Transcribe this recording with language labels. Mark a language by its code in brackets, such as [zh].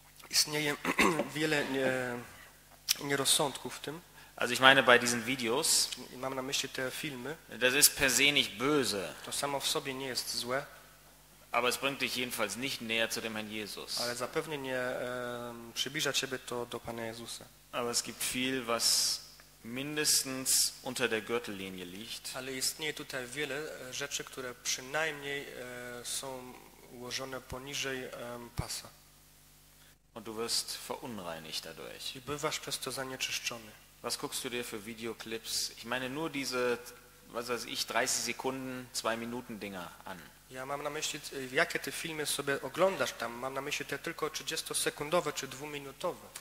[pl] Istnieje wiele nierozsądku w tym. [de] Also ich meine bei diesen Videos. [pl] Mam na myśli te filmy. [de] Das ist per se nicht böse. [pl] To samo w sobie nie jest złe. [de] Aber es bringt dich jedenfalls nicht näher zu dem Herrn Jesus. [pl] Ale zapewne nie przybliża ciebie to do Pana Jezusa. [de] Aber es gibt viel, was mindestens unter der Gürtellinie liegt. [pl] Ale istnieje tutaj wiele rzeczy, które przynajmniej są ułożone poniżej pasa. [de] Und du wirst verunreinigt dadurch. [pl] I bywasz przez to zanieczyszczony. [de] Was guckst du dir für Videoclips? Ich meine nur diese, was weiß ich, 30 Sekunden, 2 Minuten Dinger an. [pl] Ja mam na myśli, jakie ty filmy sobie oglądasz tam. Mam na myśli te tylko 30-sekundowe czy 2-minutowe.